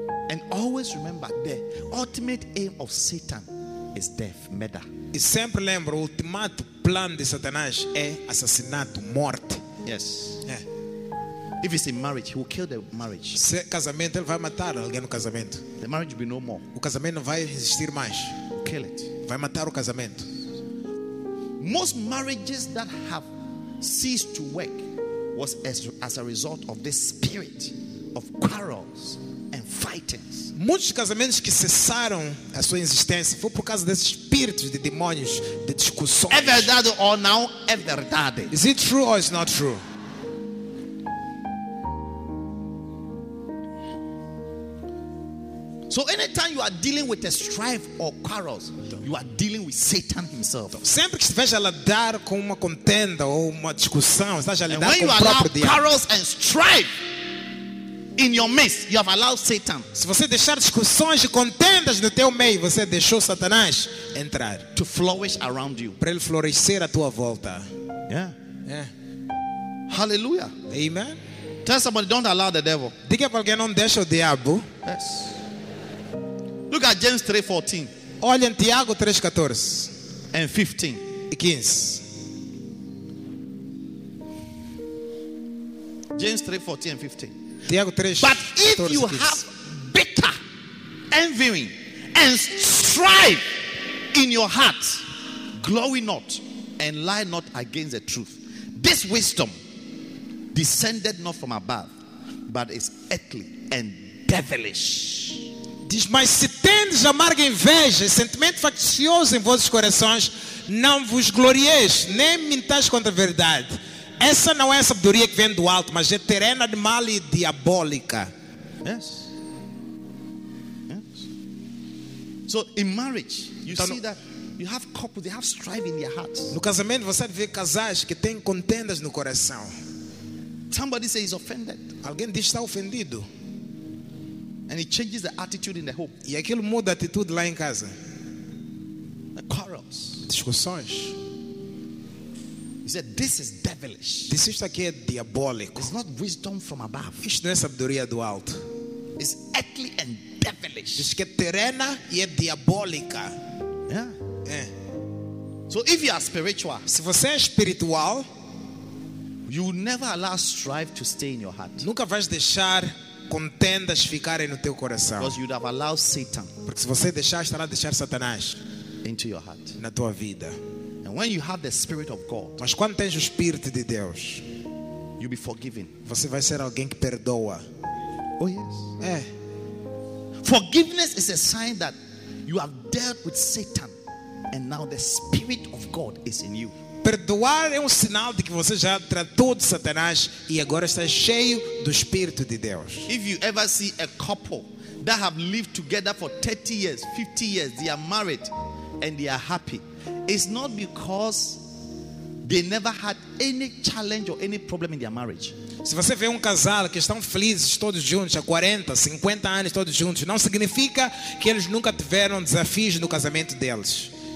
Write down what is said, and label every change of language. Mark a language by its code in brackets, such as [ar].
[en] And always remember the ultimate aim of Satan is death, murder. [pt] E sempre lembro, o ultimato plano de Satanás é assassinato, morte. [en] Yes. Yeah. If it's a marriage, he will kill the marriage. [pt] Se é casamento, ele vai matar alguém no casamento. [en] The marriage will be no more. [pt] O casamento não vai existir mais. [en] He'll kill it. [pt] Vai matar o casamento. [en] Most marriages that have ceased to work was as a result of the spirit of quarrels. [pt] Muitos casamentos que cessaram a sua existência foi por causa desses espíritos de demônios de discussões. É verdade ou não é verdade? [en] Is it true or is not true? So anytime you are dealing with a strife or quarrels, you are dealing with Satan himself. [pt] Sempre que estiver a lidar com uma contenda ou uma discussão, está a lidar com o próprio diabo. [en] Quarrels and strife in your midst, you have allowed Satan. [pt] Se você deixar discussões e contendas no teu meio, você deixou Satanás entrar. [en] To flourish around you. [pt] Para ele florescer à tua volta. [en] Yeah. Yeah. Hallelujah. Amen. Tell somebody, don't allow the devil. [pt] Diga para alguém, não deixa o diabo. [en] Yes. Look at James 3:14. [pt] Olha em Tiago 3:14. [en] And 15. [pt] E 15. [en] James 3:14 and 15. [pt] Tiago 3, [en] but if you have bitter envying and strife in your heart, glory not and lie not against the truth. This wisdom descended not from above, but is earthly and devilish. [pt] Diz, mas se tendes amarga inveja, sentimento faccioso em vossos corações, não vos glorieis, nem mintais contra a verdade. Essa não é a sabedoria que vem do alto, mas é terena de mal e diabólica. [en] Yes. Yes. So in marriage, you [pt] então, [en] see that you have couples, they have strife in their hearts. [pt] No casamento você vê casais que têm contendas no coração. [en] Somebody says offended. [pt] Alguém diz está ofendido. [en] And it changes the attitude in the home. [pt] E aquilo muda a atitude lá em casa. [en] The quarrels. [pt] Discussões. [en] He said, this is devilish. This is [pt] aqui é diabólico. [en] It's not wisdom from above. [pt] Isto não é sabedoria do alto. [en] It's earthly and devilish. [pt] Diz que é terrena e é diabólica. [en] Yeah. [pt] É. [en] So if you are spiritual, [pt] se você é espiritual, [en] You will never allow strife to stay in your heart. [pt] Nunca vais deixar contendas ficarem no teu coração. [en] Because you would have allowed Satan. [pt] Porque se você deixar, estará a deixar Satanás [en] into your heart. [pt] Na tua vida. [en] And when you have the Spirit of God, [pt] mas quando tens o Espírito de Deus, [en] you'll be forgiven. [pt] Você vai ser alguém que perdoa. [en] Oh yes. [pt] É. [en] Forgiveness is a sign that you have dealt with Satan, and now the Spirit of God is in you. [pt] Perdoar é um sinal de que você já tratou de Satanás e agora está cheio do Espírito de Deus. [en] If you ever see a couple that have lived together for 30 years, 50 years, they are married and they are happy, it's not because they never had any challenge or any problem in their marriage. [pt] Se você vê um casal que estão felizes todos juntos há 40, 50 anos todos juntos, não significa que eles nunca tiveram desafios no casamento deles.